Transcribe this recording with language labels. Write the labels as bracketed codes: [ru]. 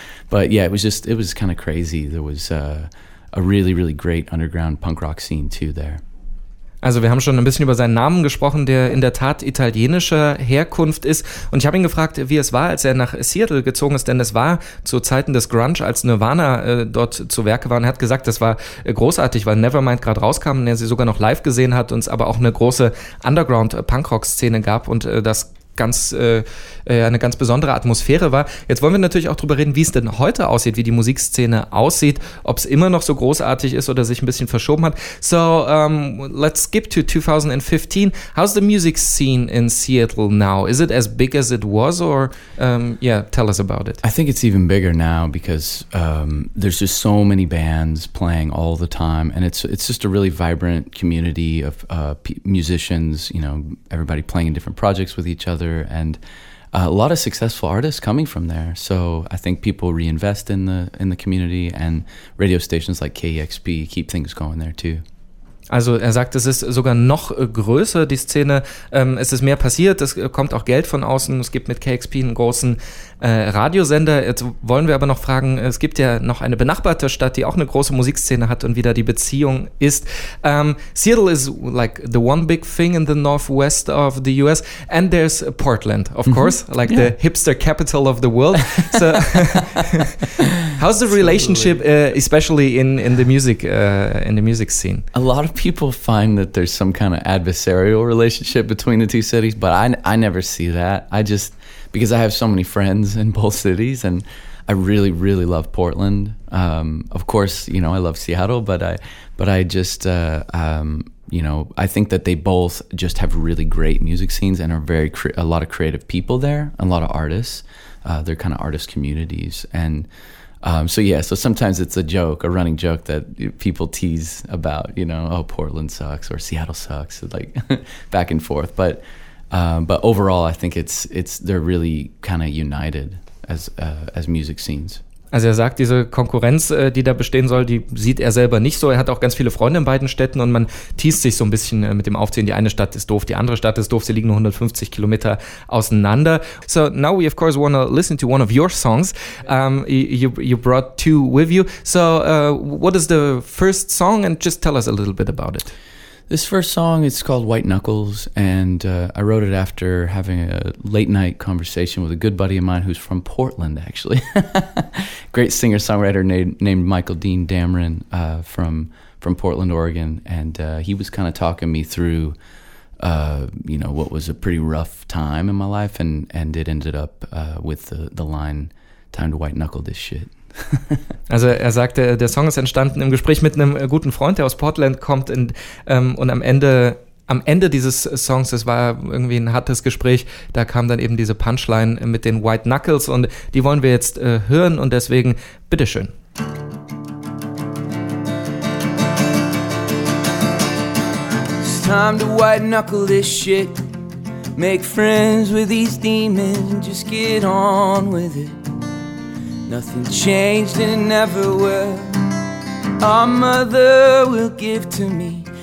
[en] But yeah, it was kind of crazy. There was a really, really great underground punk rock scene too there. [de] Also wir haben schon ein bisschen über seinen Namen gesprochen, der in der Tat italienischer Herkunft ist. Und ich habe ihn gefragt, wie es war, als er nach Seattle gezogen ist. Denn es war zu Zeiten des Grunge, als Nirvana dort zu Werke waren. Er hat gesagt, das war großartig, weil Nevermind gerade rauskam und er sie sogar noch live gesehen hat. Und es aber auch eine große Underground-Punkrock-Szene gab und das ganz eine ganz besondere Atmosphäre war. Jetzt wollen wir natürlich auch drüber reden, wie es denn heute aussieht, wie die Musikszene aussieht, ob es immer noch so großartig ist oder sich ein bisschen verschoben hat. [en] So, let's skip to 2015. How's the music scene in Seattle now? Is it as big as it was or, yeah, tell us about it. I think it's even bigger now because there's just so many bands playing all the time and it's just a really vibrant community of musicians, you know, everybody playing in different projects with each other and a lot of successful artists coming from there. So I think people reinvest in the community and radio stations like KEXP keep things going there too. [de] Also er sagt, es ist sogar noch größer, die Szene. Es ist mehr passiert, es kommt auch Geld von außen. Es gibt mit KXP einen großen Radiosender. Jetzt wollen wir aber noch fragen, es gibt ja noch eine benachbarte Stadt, die auch eine große Musikszene hat und wieder die Beziehung ist. [en] Seattle is like the one big thing in the northwest of the US. And there's Portland, of course, like the hipster capital of the world. So, how's the relationship, especially in the music scene? A lot of people find that there's some kind of adversarial relationship between the two cities, but I never see that. I just, because I have so many friends in both cities and I really, really love Portland. Of course, you know, I love Seattle, but I think that they both just have really great music scenes and are very, a lot of creative people there, a lot of artists. They're kind of artist communities. And So sometimes it's a joke, a running joke that people tease about, you know, oh, Portland sucks or Seattle sucks, like back and forth. But overall, I think it's they're really kind of united as music scenes. [de] Also er sagt, diese Konkurrenz, die da bestehen soll, die sieht er selber nicht so. Er hat auch ganz viele Freunde in beiden Städten und man teast sich so ein bisschen mit dem Aufziehen. Die eine Stadt ist doof, die andere Stadt ist doof. Sie liegen nur 150 Kilometer auseinander. [en] So now we of course want to listen to one of your songs. You brought two with you. So what is the first song and just tell us a little bit about it. This first song, it's called White Knuckles, and I wrote it after having a late night conversation with a good buddy of mine who's from Portland, actually. Great singer-songwriter named Michael Dean Dameron from Portland, Oregon, and he was kind of talking me through, you know, what was a pretty rough time in my life, and it ended up with the line, "Time to white knuckle this shit." [de] Also er sagte, der Song ist entstanden im Gespräch mit einem guten Freund, der aus Portland kommt und am Ende dieses Songs, es war irgendwie ein hartes Gespräch, da kam dann eben diese Punchline mit den White Knuckles und die wollen wir jetzt hören und deswegen, bitteschön. [en] It's time to white knuckle this shit. Make friends with these demons and just get on with it. Nothing changed and never will. Our mother will give to me.